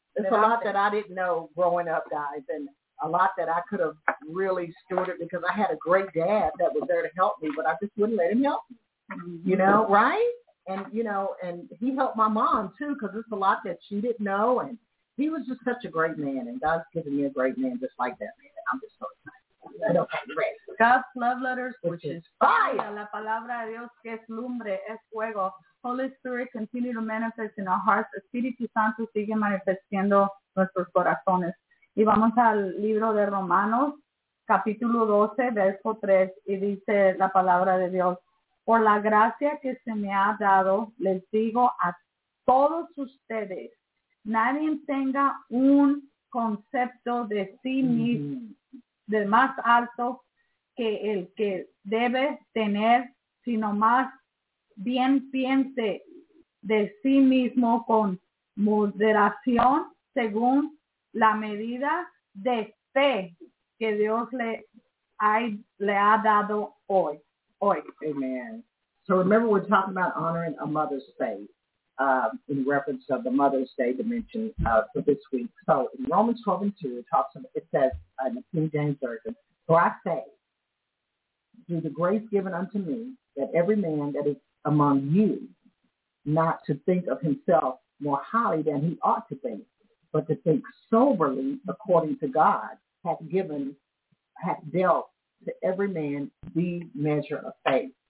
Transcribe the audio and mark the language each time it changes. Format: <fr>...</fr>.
<en>it's a lot that I didn't know growing up, guys, and a lot that I could have really stewarded, because I had a great dad that was there to help me, but I just wouldn't let him help me. Mm-hmm. You know, right? And, you know, and he helped my mom, too, because it's a lot that she didn't know. And he was just such a great man, and God's given me a great man just like that man. And I'm just so excited. God's love letters, which is fire.</en> <es>La palabra de Dios, que es lumbre, es fuego.</es> <en>Holy Spirit, continue to manifest in our hearts.</en> <es>Espíritu Santo, sigue manifestando nuestros corazones. Y vamos al libro de Romanos, capítulo 12, verso 3, y dice la palabra de Dios. Por la gracia que se me ha dado, les digo a todos ustedes, nadie tenga un concepto de sí mismo, de más alto que el que debe tener, sino más bien piense de sí mismo con moderación según la medida de fe que Dios le ha dado hoy.</es> <en>Amen. So remember, we're talking about honoring a mother's faith in reference of the Mother's Day dimension for this week. So in Romans 12 and 2, it says, in the King James Version, for I say, through the grace given unto me, that every man that is among you, not to think of himself more highly than he ought to think, but to think soberly according to God, hath dealt to every man the measure of faith.</en>